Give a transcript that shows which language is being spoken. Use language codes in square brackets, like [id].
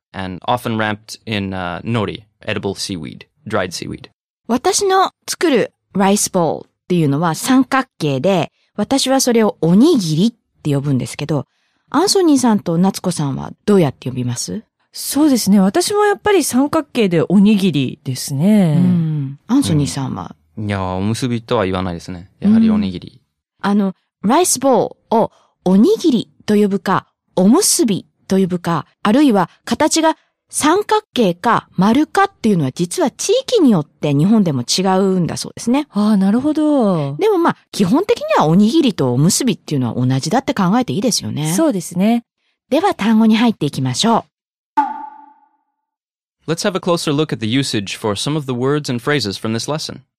[en] And often wrapped in, nori, edible seaweed, dried seaweed. [ja] 私の作るライスボールっていうのは三角形で、私はそれをおにぎりって呼ぶんですけど、アンソニーさんと夏子さんはどうやって呼びます？そうですね。私もやっぱり三角形でおにぎりですね。アンソニーさんは、いや、おむすびとは言わないですね。やはりおにぎり。ライスボールをおにぎりと呼ぶか、おむすびと呼ぶか、あるいは形が三角形か丸かっていうのは実は地域によって日本でも違うんだそうですね。ああ、なるほど。でもまあ、基本的にはおにぎりとおむすびっていうのは同じだって考えていいですよね。そうですね。では単語に入っていきましょう。 [en] Let's have a closer look at the usage for some of the words and phrases from this lesson.